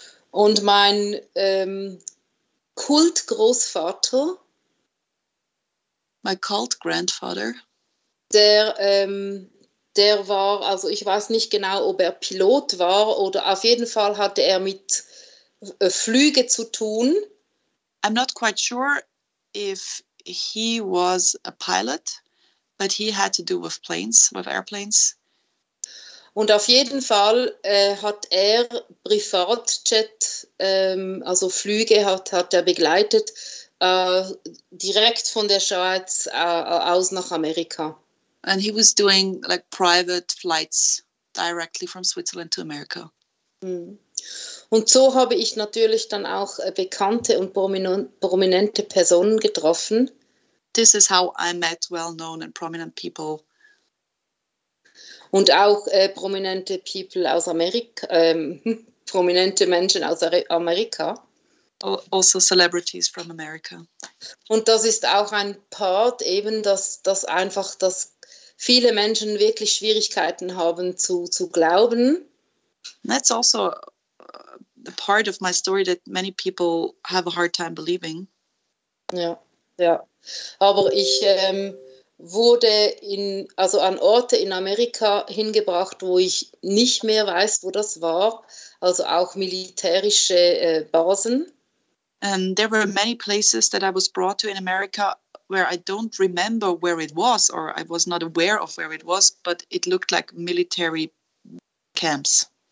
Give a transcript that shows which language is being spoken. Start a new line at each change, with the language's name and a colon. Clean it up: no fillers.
German: Und mein Kultgroßvater,
English: my cult grandfather,
German: der war, also ich weiß nicht genau, ob er Pilot war oder auf jeden Fall hatte er mit Flüge zu tun.
English: I'm not quite sure if he was a pilot, but he had to do with planes, with airplanes.
German: Und auf jeden Fall hat er Privatjet, also Flüge hat er begleitet, direkt von der Schweiz aus nach Amerika.
English: And he was doing like private flights directly from Switzerland to America.
German: Und so habe ich natürlich dann auch bekannte und prominente Personen getroffen.
English: This is how I met well-known and prominent people.
German: Und auch prominente people aus Amerika, prominente Menschen aus Amerika.
English: Also celebrities from America.
German: Und das ist auch ein Part eben, dass einfach das viele Menschen wirklich Schwierigkeiten haben zu glauben.
English: That's also a part of my story that many people have a hard time believing.
German: Ja, ja. Aber ich wurde an Orte in Amerika hingebracht, wo ich nicht mehr weiß, wo das war. Also auch militärische Basen.
English: And there were many places that I was brought to in America, where I don't remember where it was, or I was not aware of where it was, but it looked like military camps.